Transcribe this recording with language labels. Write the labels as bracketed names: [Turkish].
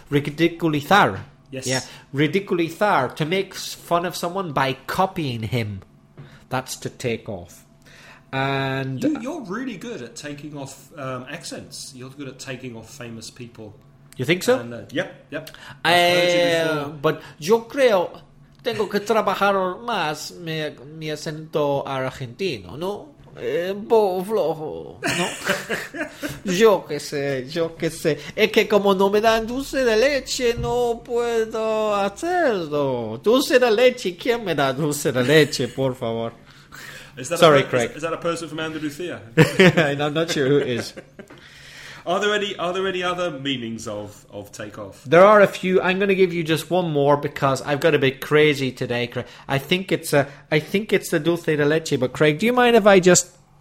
[Spanish] Ridiculizar. [English] Yes. Yeah. Ridiculizar. To make fun of someone by copying him. That's to take off. And You're really good at taking off accents. You're good at taking off famous people. You think so? Yep. [Spanish] But yo creo tengo que trabajar más mi acento argentino, ¿no? Un poco flojo, ¿no? yo qué sé. Es que como no me dan dulce de leche, no puedo hacerlo. Dulce de leche, ¿quién me da dulce de leche, por favor? [English] Craig. Is that a person from Andalusia? I'm not sure who it is. Are there any other meanings of take off? There are a few. I'm going to give you just one more because I've got a bit crazy today, Craig. I think it's the dulce de leche. But Craig, do you mind if I just